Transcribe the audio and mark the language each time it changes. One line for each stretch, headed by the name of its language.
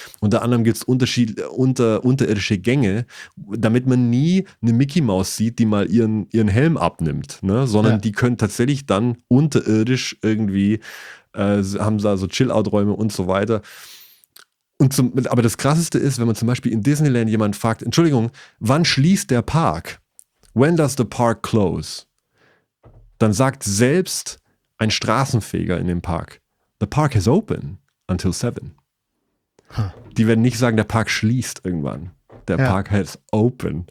German: Unter anderem gibt es unterirdische Gänge, damit man nie eine Mickey Maus sieht, die mal ihren Helm abnimmt, ne? Sondern ja. Die können tatsächlich dann unterirdisch irgendwie, haben da so Chill-Out-Räume und so weiter. Aber das Krasseste ist, wenn man zum Beispiel in Disneyland jemanden fragt, Entschuldigung, wann schließt der Park?
English: When does the park close?
German: Dann sagt selbst ein Straßenfeger in dem Park,
English: the park is open until 7.
German: Huh. Die werden nicht sagen, der Park schließt irgendwann. Der Park
English: has open.